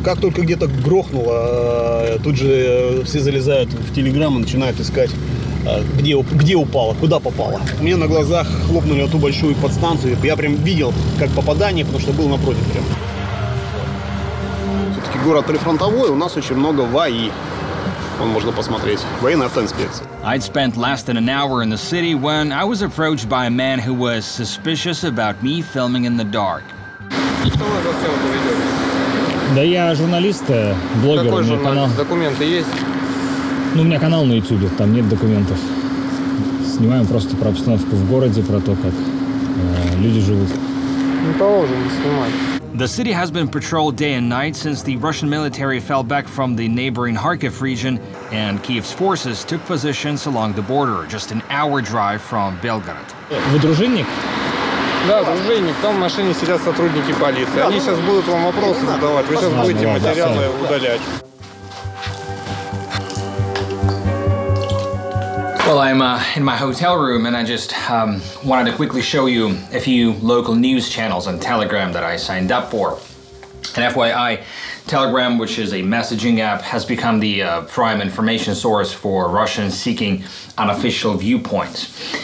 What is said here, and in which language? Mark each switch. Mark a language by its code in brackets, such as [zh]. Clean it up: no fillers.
[ru] Как только где-то грохнуло, тут же все залезают в Телеграм и начинают искать. Где упало, куда попало. У меня на глазах хлопнули эту большую подстанцию. Я прям видел, как попадание, потому что был напротив прям. Все-таки город прифронтовой, у нас очень много ВАИ. Вон можно посмотреть. Военная автоинспекция. [en] I'd spent less than an hour in the city when I was approached by a man who was suspicious about me filming in the dark. [ru] И что вы за съемку ведете? Да я журналист, блогер. Какой журналист? Документы есть? Ну, у меня канал на YouTube, там нет документов. Снимаем просто про обстановку в городе, про то, как люди живут. Не положено снимать. [en] The city has been patrolled day and night since the Russian military fell back from the neighboring Kharkiv region and Kyiv's forces took positions along the border, just an hour drive from Belgorod. [ru] Вы дружинник? Да, дружинник. Там в машине сидят сотрудники полиции. Они сейчас будут вам вопросы задавать. Вы сейчас будете материалы удалять. [en] Well, I'm in my hotel room and I just wanted to quickly show you a few local news channels on Telegram that I signed up for. And FYI, Telegram, which is a messaging app, has become the prime information source for Russians seeking unofficial viewpoints.